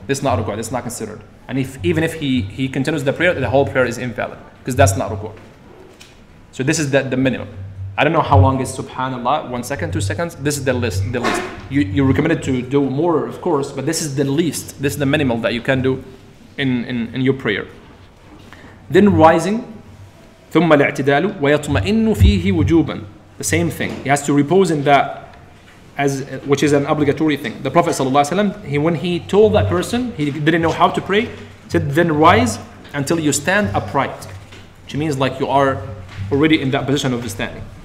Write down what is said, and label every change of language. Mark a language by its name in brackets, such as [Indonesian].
[English] This is not ruku', this is not considered. And even if he continues the prayer, the whole prayer is invalid because that's not ruku'. So this is the minimum. I don't know how long is Subhanallah, 1 second, 2 seconds. This is the least. You're recommended to do more, of course, but this is the least. This is the minimal that you can do in your prayer. Then rising, [Arabic] ثم الاعتدال ويطمئن فيه وجوبا. [English] The same thing. He has to repose in that, which is an obligatory thing. The Prophet ﷺ, when he told that person he didn't know how to pray, said, then rise until you stand upright, which means like you are already in that position of standing.